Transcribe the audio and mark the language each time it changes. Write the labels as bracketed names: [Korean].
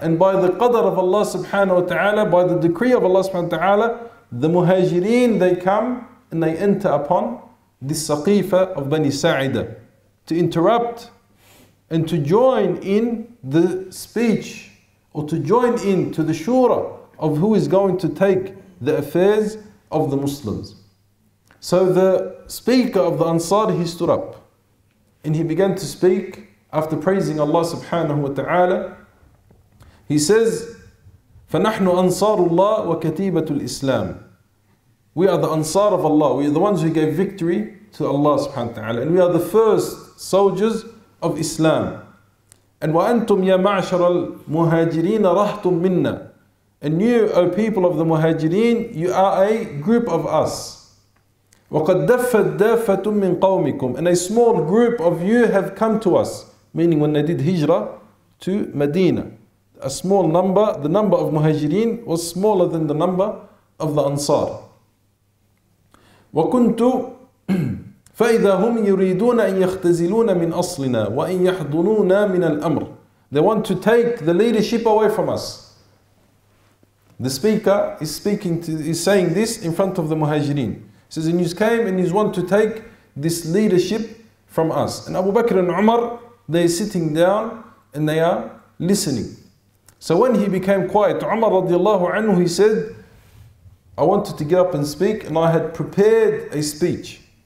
[English] And by the qadr of Allah subhanahu wa ta'ala, by the decree of Allah subhanahu wa ta'ala, the Muhajireen, they come and they enter upon this Saqifa of Bani Sa'idah to interrupt and to join in the speech, or to join in to the shura of who is going to take the affairs of the Muslims. So the speaker of the Ansar, he stood up and he began to speak after praising Allah subhanahu wa ta'ala. He says, [Arabic] فَنَحْنُ أَنصَارُ اللَّهِ وَكَتِيبَةُ الْإِسْلَامِ. [English] We are the Ansar of Allah. We are the ones who gave victory to Allah subhanahu wa ta'ala. And we are the first soldiers of Islam. And [Arabic] وَأَنْتُمْ يَا مَعْشَرَ الْمُهَاجِرِينَ رَحْتُمْ مِنَّا. [English] And you, O people of the Muhajireen, you are a group of us. [Arabic] وَقَدْ دَفَّتْ دَافَةٌ مِّن قَوْمِكُمْ [English] And a small group of you have come to us. Meaning when they did hijrah to Medina. A small number, the number of muhajirin was smaller than the number of the Ansar. [Arabic] وَكُنْتُ فَإِذَا هُمْ يُرِيدُونَ أَن يَخْتَزِلُونَ مِنْ أَصْلِنَا وَأَن يَحْضُنُونَ مِنَ الْأَمْرِ [English] They want to take the leadership away from us. The speaker is speaking to, is saying this in front of the muhajirin. He says, the news came and he's want to take this leadership from us. And Abu Bakr and Umar, they're sitting down and they are listening. So when he became quiet, Umar radiallahu anhu, he said, I wanted to get up and speak and I had prepared a speech.